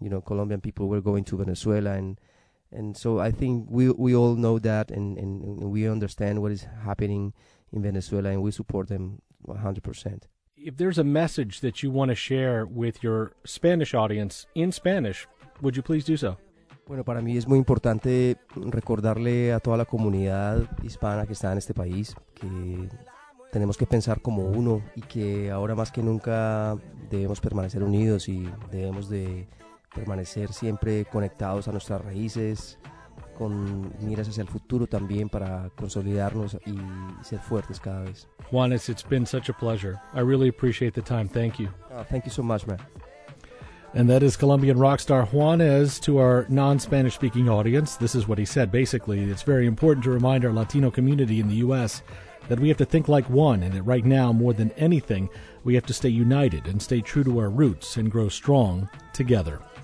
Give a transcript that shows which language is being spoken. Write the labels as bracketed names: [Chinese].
[English] You know, Colombian people were going to Venezuela. And so I think we all know that and we understand what is happening in Venezuela and we support them 100%. If there's a message that you want to share with your Spanish audience in Spanish, would you please do so? [Spanish] Bueno, para mí es muy importante recordarle a toda la comunidad hispana que está en este país que tenemos que pensar como uno y que ahora más que nunca debemos permanecer unidos y debemos de permanecer siempre conectados a nuestras raíces con miras hacia el futuro también para consolidarnos y ser fuertes cada vez. [English] Juanes, it's been such a pleasure. I really appreciate the time. Thank you. Thank you so much, man. And that is Colombian rock star Juanes to our non-Spanish-speaking audience. This is what he said. Basically, it's very important to remind our Latino community in the U.S. that we have to think like one and that right now, more than anything, we have to stay united and stay true to our roots and grow strong together.